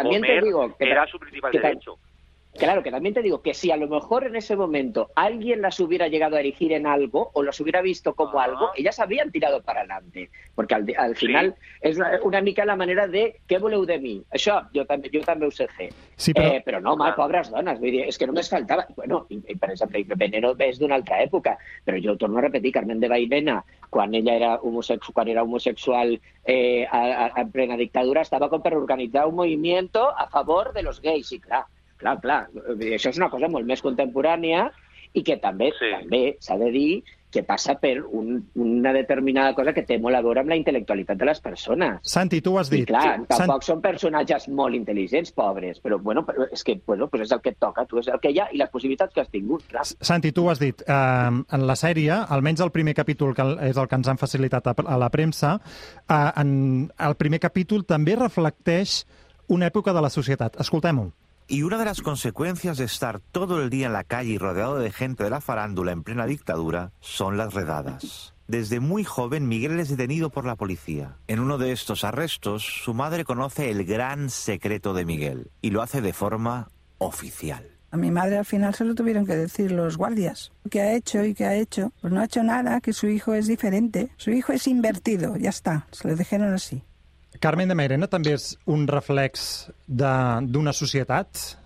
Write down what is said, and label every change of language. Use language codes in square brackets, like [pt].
[es] Que también era su principal derecho. Claro, que también te digo que si a lo mejor en ese momento alguien las hubiera llegado a erigir en algo o las hubiera visto como algo, ellas habrían tirado para adelante. [ca] Porque al final es una mica la manera de ¿qué voleu de mí? Això, jo també ho sé fer. Sí, però no, mal, pobres dones. Vull dir, és que només faltava... Bueno, i per exemple, Veneno és d'una altra època, però jo torno a repetir, Carmen de Bailena, quan ella era homosexual, en plena dictadura, estava com per organitzar un moviment a favor de [es] los gays, [ca] i clar, clar, això és una cosa molt més contemporània i que també s'ha de dir que passa per una determinada cosa que té molt a veure amb la intel·lectualitat de les persones. Santi, tu ho has dit. I clar, tampoc són personatges molt intel·ligents, pobres, però bueno, és que bueno, pues és el que et toca, tu és el que hi ha i les possibilitats que has tingut, clar. Santi, tu ho has dit. En la sèrie, almenys el primer capítol, que és el que ens han facilitat a la premsa, en el primer capítol també reflecteix una època de la societat. Escoltem-ho. [es] Y una de las consecuencias de estar todo el día en la calle rodeado de gente de la farándula en plena dictadura son las redadas. Desde muy joven, Miguel es detenido por la policía. En uno de estos arrestos, su madre conoce el gran secreto de Miguel y lo hace de forma oficial. A mi madre al final se lo tuvieron que decir los guardias. ¿Qué ha hecho y qué ha hecho? Pues no ha hecho nada, que su hijo es diferente. Su hijo es invertido, ya está, se lo dijeron así. [ca] Carmen de Mairena també és un reflex d'una societat?